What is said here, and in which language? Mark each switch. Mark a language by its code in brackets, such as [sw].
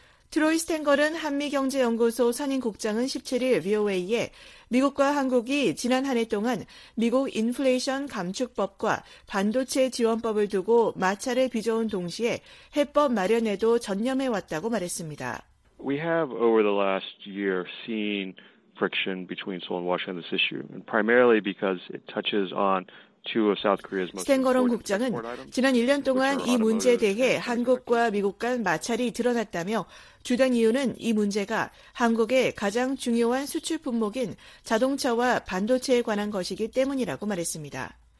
[ko] 트로이 스탱걸은 한미경제연구소 선임국장은 17일 VOA에 미국과 한국이 지난 한 해 동안 미국 인플레이션 감축법과 반도체 지원법을 두고 마찰을 빚어온 동시에 해법 마련에도 전념해왔다고 말했습니다. [en] We have over the last year seen friction between Seoul and Washington this issue, and primarily because it touches on [ko] 스탱거론 국장은 지난 1년 동안 이 문제에 대해 한국과 미국 간 마찰이 드러났다며 주된 이유는 이 문제가 한국의 가장 중요한 수출 품목인 자동차와 반도체에 관한 것이기 때문이라고 말했습니다.